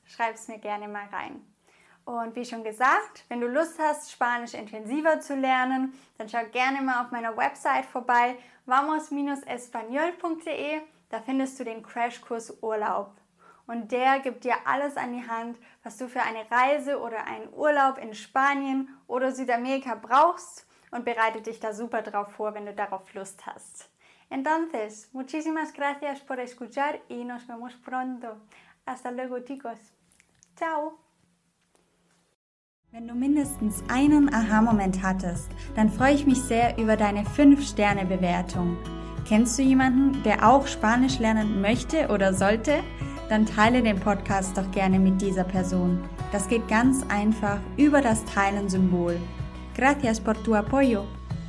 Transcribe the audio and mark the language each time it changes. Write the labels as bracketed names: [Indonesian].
[German] Schreib es mir gerne mal rein. Und wie schon gesagt, wenn du Lust hast, Spanisch intensiver zu lernen, dann schau gerne mal auf meiner Website vorbei, vamos-espanol.de. Da findest du den Crashkurs Urlaub. Und der gibt dir alles an die Hand, was du für eine Reise oder einen Urlaub in Spanien oder Südamerika brauchst und bereitet dich da super drauf vor, wenn du darauf Lust hast. [Spanish] Entonces, muchísimas gracias por escuchar y nos vemos pronto. Hasta luego, chicos. Ciao! [German] Wenn du mindestens einen Aha-Moment hattest, dann freue ich mich sehr über deine 5-Sterne-Bewertung. Kennst du jemanden, der auch Spanisch lernen möchte oder sollte? Dann teile den Podcast doch gerne mit dieser Person. Das geht ganz einfach über das Teilen-Symbol. [Spanish] Gracias por tu apoyo.